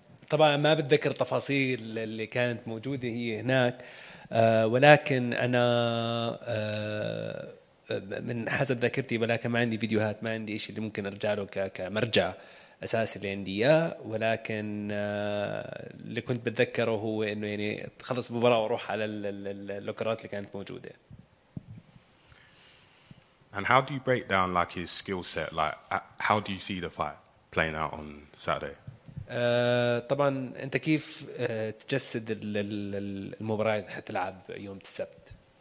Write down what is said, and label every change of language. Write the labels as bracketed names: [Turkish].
[Arabic] طبعا ما بتذكر تفاصيل اللي كانت موجودة هي هناك، ولكن أنا من حسب ذاكرتي، ولكن ما عندي فيديوهات، ما عندي إشي اللي ممكن أرجع له كمرجع. أساس اللي عندي إياه ولكن اللي كنت بتذكره هو إنه يعني تخلص المباراة وروح على اللوكرات اللي كانت موجودة. [English] And how do you break down like his skill set? Like how do you see the fight playing out on Saturday? [Arabic] طبعاً أنت كيف تجسد المباراة اللي هتلعب يوم السبت؟